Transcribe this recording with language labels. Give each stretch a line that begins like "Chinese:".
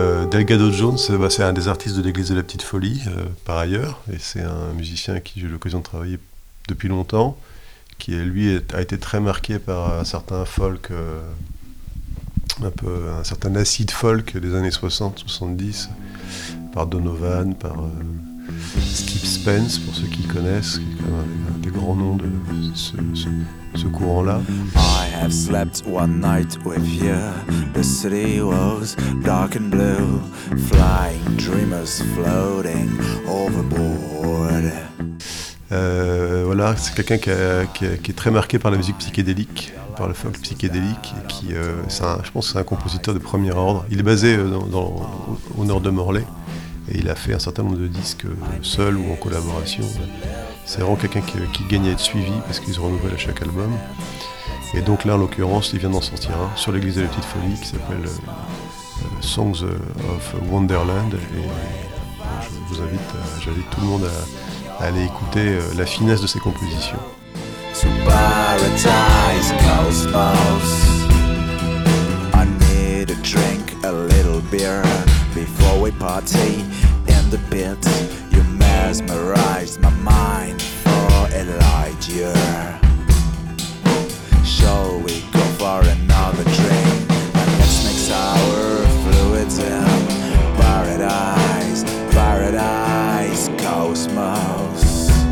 French: Delgado Jones, bah, c'est un des artistes de l'église de la Petite Folie, par ailleurs, et c'est un musicien avec qui j'ai eu l'occasion de travailler depuis longtemps, qui lui a été très marqué par un certain folk, un certain acide folk des années 60-70, par Donovan, par Skip Spence, pour ceux qui connaissent, qui est quand même un des grands noms de ce courant-là.
English: I have slept one night with you. The city was dark and blue. Flying dreamers floating overboard.
French: Voilà, c'est quelqu'un qui est très marqué par la musique psychédélique, par le folk psychédélique, et qui, je pense que c'est un compositeur de premier ordre. Il est basé au nord de Morlaix, et il a fait un certain nombre de disques seul ou en collaboration. C'est vraiment quelqu'un qui gagne à être suivi, parce qu'il se renouvelle à chaque album. Et donc là, en l'occurrence, il vient d'en sortir un, sur l'église de la Petite Folie, qui s'appelle Songs of Wonderland, et je vous invite, j'invite tout le monde à aller écouter la finesse de ses compositions.
English: To paradise cosmos. I need a drink, a little beer. Before we party in the pit, you mesmerized my mind for Elijah. Shall we go for another drink? And let's mix our fluids in paradise, paradise, cosmos.